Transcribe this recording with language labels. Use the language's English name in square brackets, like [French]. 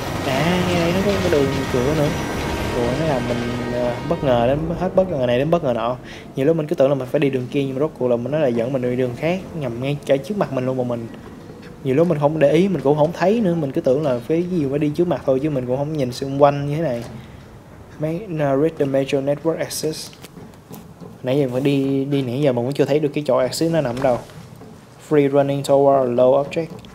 [Vietnamese] Nghe đây nó có cái đường cửa nữa. Ủa, nó làm mình bất ngờ đến hết bất ngờ này đến bất ngờ nọ. Nhiều lúc mình cứ tưởng là mình phải đi đường kia nhưng mà rốt cuộc là nó lại dẫn mình đi đường khác, ngầm ngay cả trước mặt mình luôn mà mình. Nhiều lúc mình không để ý, mình cũng không thấy nữa. Mình cứ tưởng là cái gì phải đi trước mặt thôi chứ mình cũng không nhìn xung quanh như thế này. [English] Read the major network access. [Vietnamese] Nãy giờ mình đi nãy giờ mình cũng chưa thấy được cái chỗ access nó nằm đâu. [English] Free running toward a low object.